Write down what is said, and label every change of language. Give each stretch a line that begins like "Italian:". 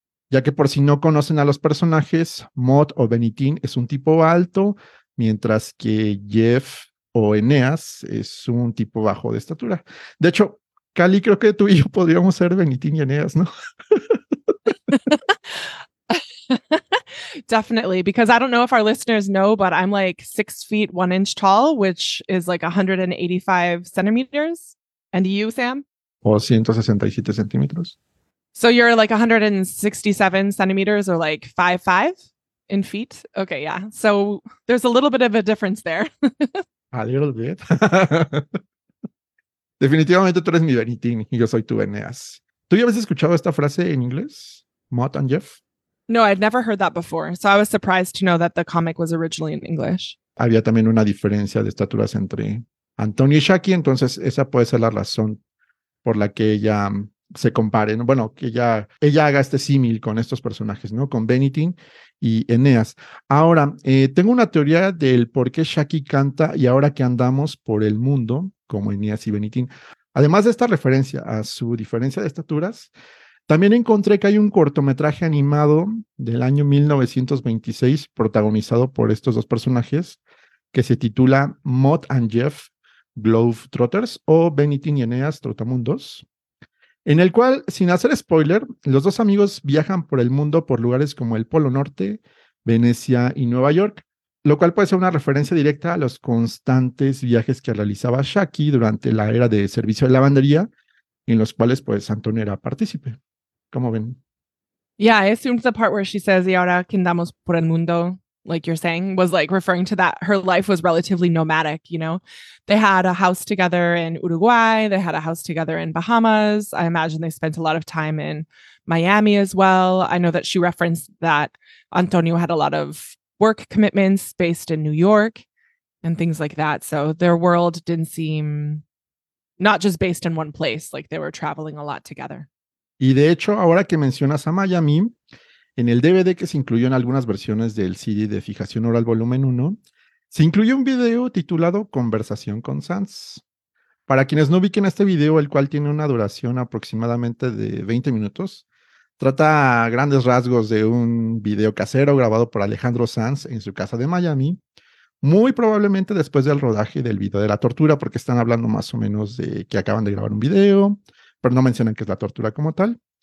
Spanish: Ya que por si no conocen a los personajes, Mott o Benitín es un tipo alto, mientras que Jeff o Eneas es un tipo bajo de estatura. De hecho, Cali, creo que tú y yo podríamos ser Benitín
English: Definitely, because I don't know if our listeners know, but I'm like 6 feet 1 inch tall, which is like 185 centimeters. And you, Sam?
Spanish: ¿no? O 167 centímetros.
English: So you're like 167 centimeters, or like 5'5" in feet. Okay, yeah. So there's a little bit of a difference there. A little bit.
Spanish: Definitivamente tú eres mi Benitín y yo soy tu Eneas. ¿Tú ya habías escuchado esta frase en inglés?
English: Mott and Jeff. No, I'd never heard that before. So I was surprised to know that the comic was originally in English.
Spanish: Había también una diferencia de estaturas entre Antonio y Shaki, entonces esa puede ser la razón por la que ella se compare, ¿no? Bueno, que ella haga este símil con estos personajes, ¿no? Con Benitín y Eneas. Ahora, tengo una teoría del por qué Shaki canta y ahora que andamos por el mundo, como Eneas y Benitín. Además de esta referencia a su diferencia de estaturas, también encontré que hay un cortometraje animado del año 1926 protagonizado por estos dos personajes que se titula Mott and Jeff Globetrotters o Benitín y Eneas Trotamundos, en el cual, sin hacer spoiler, los dos amigos viajan por el mundo por lugares como el Polo Norte, Venecia y Nueva York, lo cual puede ser una referencia directa a los constantes viajes que realizaba Shaki durante la era de servicio de lavandería, en los cuales pues Antonio era partícipe. ¿Cómo ven?
English: Yeah, I assumed the part where she says,
Spanish: y ahora que andamos por el mundo,
English: like you're saying, was like referring to that her life was relatively nomadic, you know? They had a house together in Uruguay, they had a house together in Bahamas. I imagine they spent a lot of time in Miami as well. I know that she referenced that Antonio had a lot of work commitments based in New York and things like that. So their world didn't seem not just based in one place, like they were traveling a lot together.
Spanish: Y de hecho, ahora que mencionas a Miami, en el DVD que se incluyó en algunas versiones del CD de Fijación Oral Volumen 1, se incluye un video titulado Conversación con Sans. Para quienes no ubiquen este video, el cual tiene una duración aproximadamente de 20 minutos, trata a grandes rasgos de un video casero grabado por Alejandro Sanz en su casa de Miami, muy probablemente después del rodaje del video de la tortura, porque están hablando más o menos de que acaban de grabar un video, pero no mencionan que es la tortura como tal.